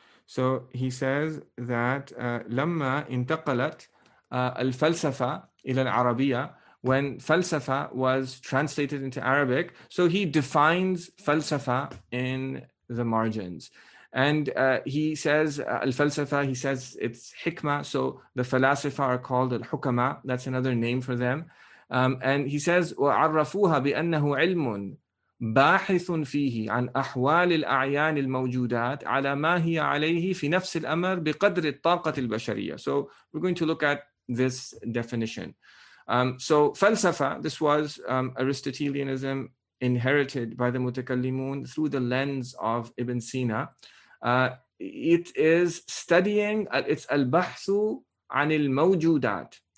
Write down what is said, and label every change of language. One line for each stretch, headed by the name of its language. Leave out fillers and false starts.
English: So he says that
Arabic: lamma intaqalat al-falsafa ila al-arabiyya,
English: when falsafa was translated into Arabic. So he defines falsafa in the margins. And he says al-falsafa, he says it's hikmah. So the falasifa are called al-hukama. That's another name for them. And he says
Arabic: wa'arrafuha bi'annahu ilmun باحثٌ فيه عن أحوال الأعيان الموجودات على ما هي عليه في نفس الأمر بقدر الطاقة البشرية.
English: So we're going to look at this definition. So falsafa, this was Aristotelianism inherited by the Mutakallimun through the lens of Ibn Sina. It is studying, it's
Arabic: البحث عن الموجودات.